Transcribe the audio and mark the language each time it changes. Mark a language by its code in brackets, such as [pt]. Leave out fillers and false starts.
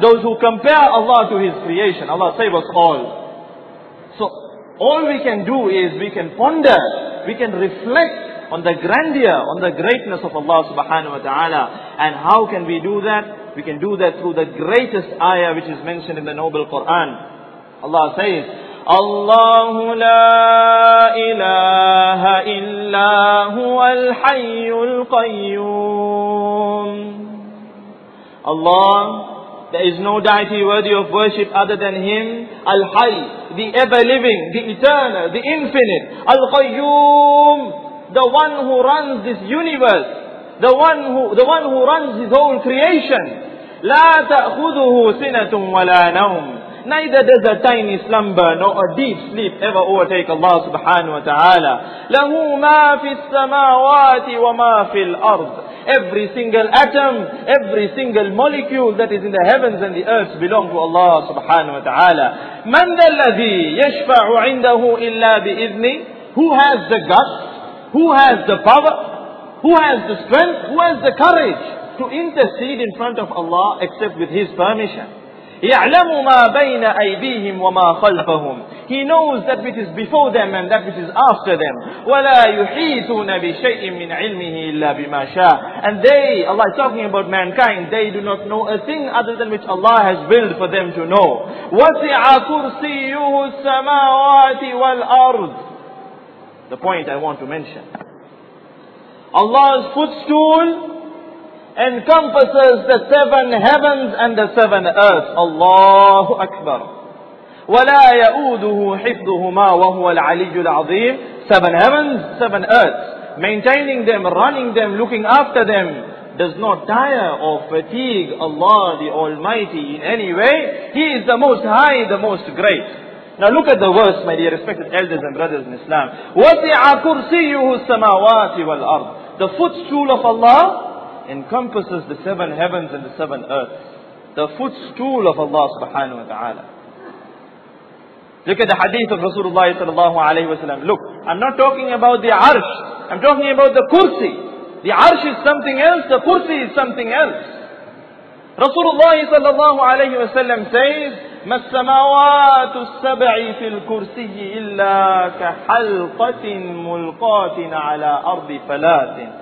[en] Those who compare Allah to His creation. Allah save us all. So all we can do is we can ponder, we can reflect on the grandeur, on the greatness of Allah subhanahu wa ta'ala. And how can we do that? We can do that through the greatest ayah which is mentioned in the noble Quran. Allah says, [ar] الله لا إله إلا هو الحي القيوم. [en] Allah, there is no deity worthy of worship other than Him. Al-Hayy, the ever-living, the eternal, the infinite. Al-Qayyum, the one who runs this universe. The one who runs His whole creation. [ar] لا تأخذه سنة ولا نوم. [en] Neither does a tiny slumber nor a deep sleep ever overtake Allah subhanahu wa ta'ala. [ar] لَهُ مَا فِي السَّمَاوَاتِ وَمَا فِي الْأَرْضِ. [en] Every single atom, every single molecule that is in the heavens and the earth belong to Allah subhanahu wa ta'ala. [ar] مَنْ ذَا الَّذِي يَشْفَعُ عِنْدَهُ إِلَّا بِإِذْنِ. [en] Who has the guts? Who has the power? Who has the strength? Who has the courage to intercede in front of Allah except with His permission? [ar] يعلم ما بين أيديهم وما خلفهم. [en] He knows that which is before them and that which is after them. [ar] ولا يحيطون بشيء من علمه إلا بما شاء. [en] And they, Allah is talking about mankind, they do not know a thing other than which Allah has willed for them to know. [ar] وسع كرسيه السماوات والأرض. [en] The point I want to mention. Allah's footstool encompasses the seven heavens and the seven earths. [ar] Allahu Akbar. وَلَا يَؤُودُهُ حِفْظُهُمَا وَهُوَ الْعَلِيُّ الْعَظِيمُ. [en] Seven heavens, seven earths. Maintaining them, running them, looking after them does not tire or fatigue Allah the Almighty in any way. He is the most high, the most great. Now look at the verse, my dear respected elders and brothers in Islam. [ar] وَسِعَ كُرْسِيُّهُ السَّمَاوَاتِ وَالْأَرْضِ. [en] The footstool of Allah encompasses the seven heavens and the seven earths. The footstool of Allah subhanahu wa ta'ala. Look at the hadith of Rasulullah sallallahu alayhi wa sallam. Look, I'm not talking about the arsh. I'm talking about the kursi. The arsh is something else, the kursi is something else. Rasulullah sallallahu alayhi wa sallam says, [ar] ما السماوات السبع في الكرسي إلا كحلقة ملقاة على أرض فلات.